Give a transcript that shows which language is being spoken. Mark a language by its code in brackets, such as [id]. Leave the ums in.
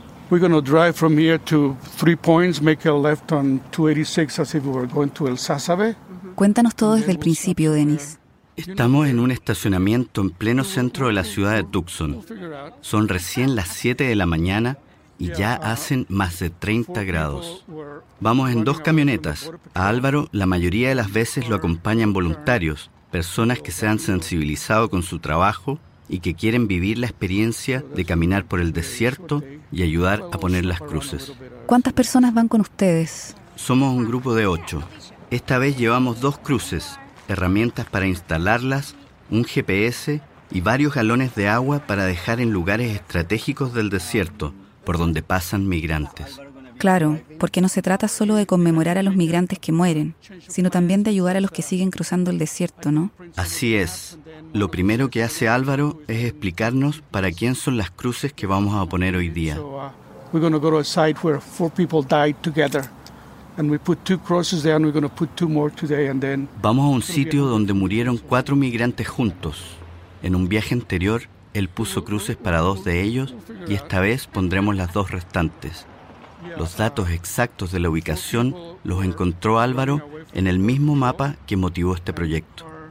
[en] We're going to drive from here to three points, make a left on 286 as if we were going to El Sasabe. [es] Cuéntanos todo desde el principio, Denis. Estamos en un estacionamiento en pleno centro de la ciudad de Tucson. Son recién las 7 de la mañana y ya hacen más de 30 grados. Vamos en dos camionetas. A Álvaro la mayoría de las veces lo acompañan voluntarios, personas que se han sensibilizado con su trabajo y que quieren vivir la experiencia de caminar por el desierto y ayudar a poner las cruces. ¿Cuántas personas van con ustedes? Somos un grupo de ocho. Esta vez llevamos dos cruces, herramientas para instalarlas, un GPS y varios galones de agua para dejar en lugares estratégicos del desierto por donde pasan migrantes. Claro, porque no se trata solo de conmemorar a los migrantes que mueren, sino también de ayudar a los que siguen cruzando el desierto, ¿no? Así es. Lo primero que hace Álvaro es explicarnos para quién son las cruces que vamos a poner hoy día. [en] We're going to go to a site where four people died together. And we put two crosses there and we're going to put two more today and then [es] Vamos a un sitio donde murieron cuatro migrantes juntos. En un viaje anterior, él puso cruces para dos de ellos y esta vez pondremos las dos restantes. Los datos exactos de la ubicación los encontró Álvaro en el mismo mapa que motivó este proyecto.